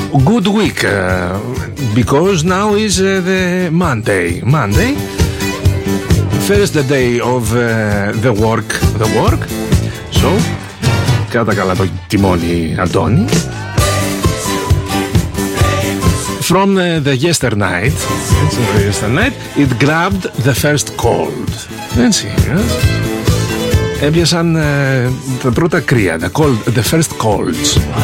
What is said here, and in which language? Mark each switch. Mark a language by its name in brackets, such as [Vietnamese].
[English] Good week, because now is the Monday. Monday, first day of the work. [Greek] So, κράτα καλά το τιμόνι, Αντώνη. [English] From the yesterday night, it grabbed the first cold. [Greek] Έτσι, έπιασαν τα πρώτα κρύα, [English] the first colds.